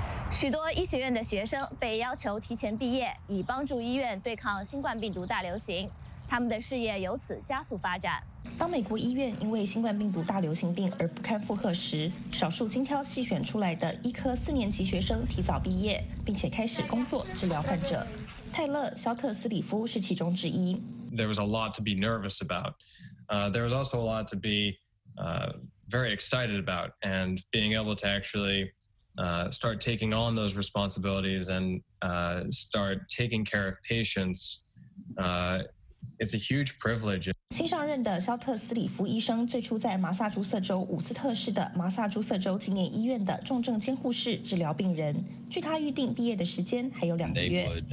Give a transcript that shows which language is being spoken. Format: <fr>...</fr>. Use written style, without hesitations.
<zh>许多医学院的学生被要求提前毕业，以帮助医院对抗新冠病毒大流行，他们的事业由此加速发展。当美国医院因为新冠病毒大流行病而不堪负荷时，少数精挑细选出来的医科四年级学生提早毕业，并且开始工作治疗患者。泰勒·肖特斯里夫是其中之一。</zh> <en>There was a lot to be nervous about. There was also a lot to be very excited about, and being able to actually start taking on those responsibilities and start taking care of patients. It's a huge privilege.</en> <zh>新上任的肖特斯里夫医生最初在马萨诸塞州伍斯特市的马萨诸塞州纪念医院的重症监护室治疗病人。据他预定毕业的时间还有两个月。</zh>